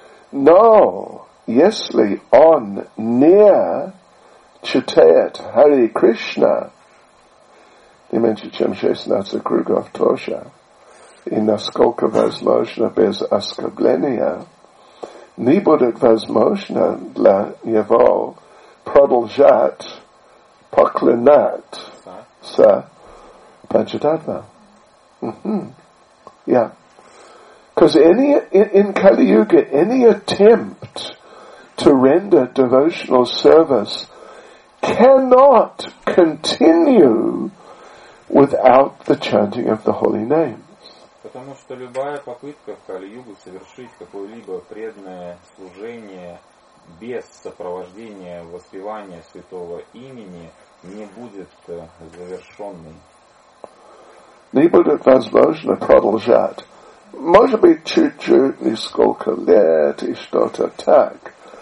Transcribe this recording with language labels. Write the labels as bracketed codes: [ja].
[ru] Но если он не читает Hare Krishna, не меньше чем 16 кругов тоша, и насколько возможно без оскорбления, не будет возможно для его продолжат поклинат с Панчататва. [en] Yeah. Because in Kali Yuga, any attempt to render devotional service cannot continue without the chanting of the holy name. [ru] Потому что любая попытка в Кали-Югу совершить какое-либо преданное служение без сопровождения воспевания святого имени не будет завершенной. Не будет возможно продолжать. Может быть, чуть-чуть, несколько лет и что-то так.